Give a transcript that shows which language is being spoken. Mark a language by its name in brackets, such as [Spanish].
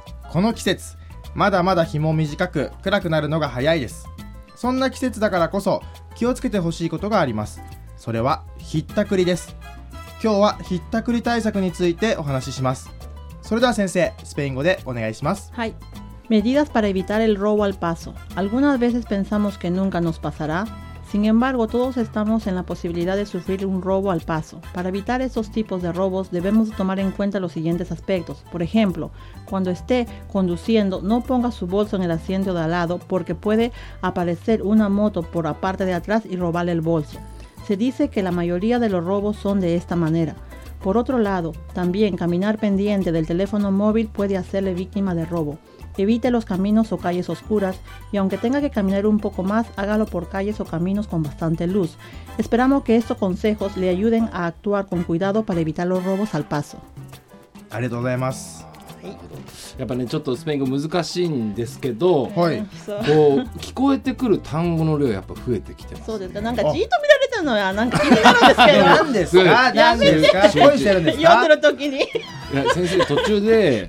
[Japanese] この季節まだまだ日も短く暗くなるのが早いです。そんな季節だからこそ気をつけてほしいことがあります。それはひったくりです。今日はひったくり対策についてお話しします。それでは先生、スペイン語でお願いします。はい。 [Spanish] Medidas para evitar el robo al paso. Algunas veces pensamos que nunca nos pasará. Sin embargo, todos estamos en la posibilidad de sufrir un robo al paso. Para evitar estos tipos de robos, debemos tomar en cuenta los siguientes aspectos. Por ejemplo, cuando esté conduciendo, no ponga su bolso en el asiento de al lado porque puede aparecer una moto por la parte de atrás y robarle el bolso. Se dice que la mayoría de los robos son de esta manera. Por otro lado, también caminar pendiente del teléfono móvil puede hacerle víctima de robo. Evite los caminos o calles oscuras y aunque tenga que caminar un poco más, hágalo por calles o caminos con bastante luz. Esperamos que estos consejos le ayuden a actuar con cuidado para evitar los robos al paso. [Japanese] ありがとうございます。やっぱね、ちょっとスペイン語難しいんですけど、はい、こう聞こえてくる単語の量やっぱ増えてきてます、ね、そうですか。なんかじっと見られてるのはなんか気になるんですけど。何ですか？何ですか？してるんですか？読んでる時に。いや先生途中で